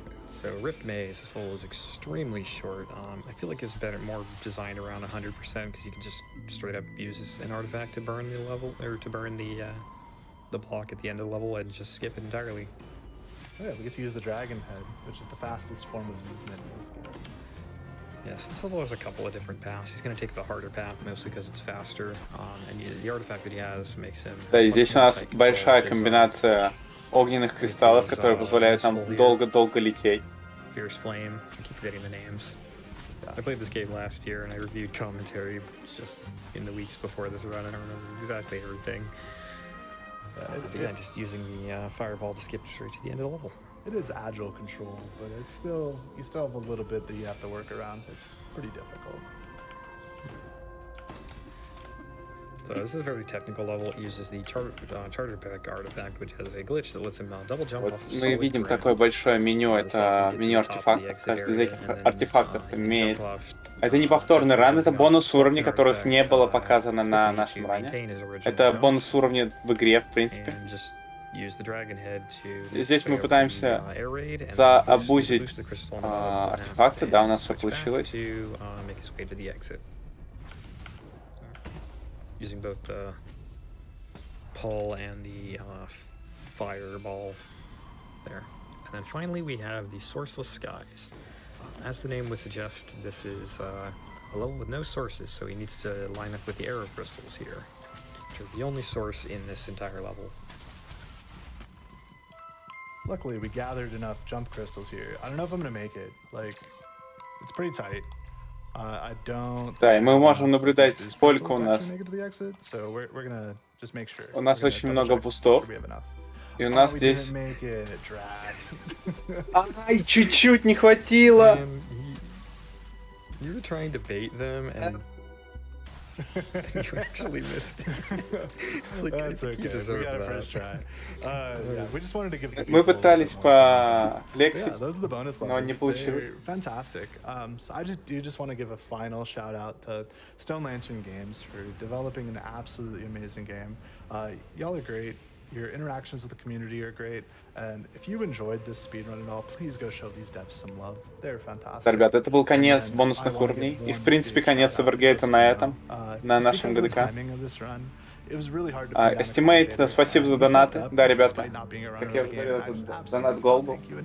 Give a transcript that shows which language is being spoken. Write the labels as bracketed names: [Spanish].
[English] So Rift Maze, this level is extremely short. I feel like it's better, more designed around 100% because you can just straight up use an artifact to burn the level, or to burn the block at the end of the level and just skip it entirely. Oh yeah, we get to use the dragon head, which is the fastest form of movement in this game. Yes, this level has a couple of different paths. He's going to take the harder path, mostly because it's faster, and the artifact that he has makes him... [Russian] Да, здесь у нас большая комбинация огненных кристаллов, которые позволяют нам долго-долго лететь. [English] Fierce Flame. I keep forgetting the names. I played this game last year, and I reviewed commentary just in the weeks before this run. I don't remember exactly everything. Yeah, just using the fireball to skip straight to the end of the level. It is agile control, but it's still, you still have a little bit that you have to work around. It's pretty difficult. So this is a very technical level. It uses the charger pack artifact, which has a glitch that lets him double jump. [Russian] Вот мы видим такое большое меню, это меню артефактов, каждый из этих артефактов имеет. Это не повторный ран, это бонус уровни, которых не было показано на нашем ране. Это бонус уровни в игре, в принципе. [English] Use the dragon head to... [Russian] Здесь мы пытаемся заобузить артефакты, да, у нас все получилось. [English] To, make his way to the exit. Using both the pull and the fireball there. And then finally we have the Sourceless Skies. As the name would suggest, this is a level with no sources, so he needs to line up with the arrow crystals here, which are the only source in this entire level. Luckily, we gathered enough jump crystals here. I don't know if I'm gonna make it. Like, it's pretty tight. I don't. [Russian] Да, мы можем наблюдать, сколько у нас. [English] So we're gonna just make sure. [Russian] У нас очень много пустов. И у нас здесь. [English] Make it, [Russian] Ай, чуть-чуть не хватило. [English] You were trying to bait them and. You actually missed it. It's like, that's okay. You deserve that. We got a first try. Yeah, we just wanted to give. [Russian] Мы пытались по Лекси. [English] Yeah, those are the bonus levels. [Russian] Но не получилось. [English] Fantastic. So I just want to give a final shout out to Stone Lantern Games for developing an absolutely amazing game. Y'all are great. Your interactions with the community are great. And if you enjoyed this speedrun at all, please go show these devs some love. They're fantastic. [Russian] Да, ребята, это был конец бонусных уровней. И, в принципе, конец Evergate на этом, на нашем ГДК. Estimate, спасибо за донаты. Да, ребята, как я уже говорил, это донат Gold был.